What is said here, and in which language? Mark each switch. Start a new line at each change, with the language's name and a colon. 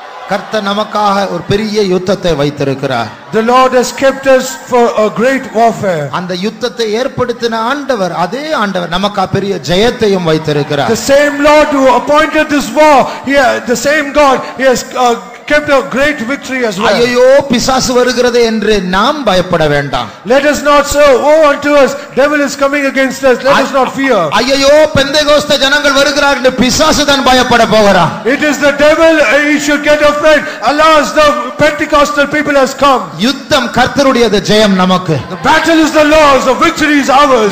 Tamil: கர்த்தர் நமக்காக ஒரு பெரிய யுத்தத்தை வைத்திருக்கிறார்.
English: The Lord has kept us for a great warfare.
Tamil: அந்த யுத்தத்தை ஏற்படுத்தின ஆண்டவர், அதே ஆண்டவர் நமக்காக பெரிய ஜெயத்தையும் வைத்திருக்கிறார்.
English: The same Lord who appointed this war, the same God, he has kept a great victory as well.
Tamil: ஐயோ, பிசாசு வருகிறதே என்று நாம் பயப்பட வேண்டாம்.
English: Let us not say, woe unto us, devil is coming against us, let us not fear.
Tamil: ஐயோ, பெந்தெகோஸ்த ஜனங்கள் வருகிறார் என்று பிசாசு தான் பயப்பட போகிறார்.
English: It is the devil, he should get afraid. Alas, the Pentecostal people has come.
Tamil: யுத்தம் கர்த்தருடையது, ஜெயம் நமக்கு.
English: The battle is the Lord's, the victory is ours.